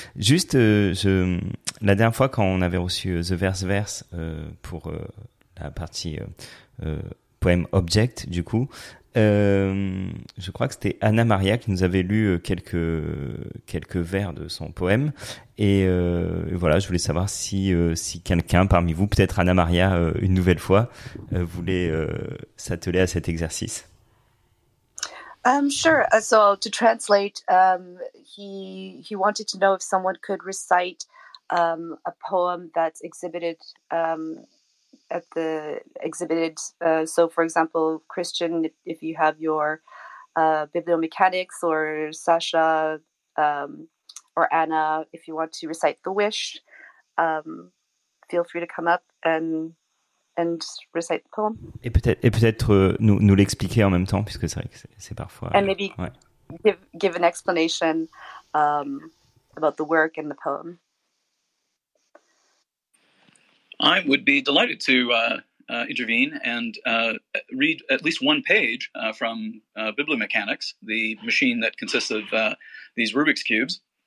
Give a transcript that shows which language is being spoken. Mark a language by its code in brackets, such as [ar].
[fr] Juste, la dernière fois quand on avait reçu TheVerseVerse pour la partie poème object, du coup, je crois que c'était Anna Maria qui nous avait lu quelques vers de son poème. Et voilà, je voulais savoir si quelqu'un parmi vous, peut-être Anna Maria une nouvelle fois, voulait s'atteler à cet exercice. [en] Sure. So to translate, he wanted to know if someone could recite a poem that's exhibited at the exhibited. So for example, Christian, if you have your Bibliomechanics, or Sasha, or Anna, if you want to recite The Wish, feel free to come up and recite the poem. [fr] Et peut-être nous l'expliquer en même temps, puisque c'est vrai que c'est parfois... [en] And maybe give an explanation about the work and the poem. I would be delighted to intervene and read at least one page from Bibliomechanics, the machine that consists of these Rubik's Cubes.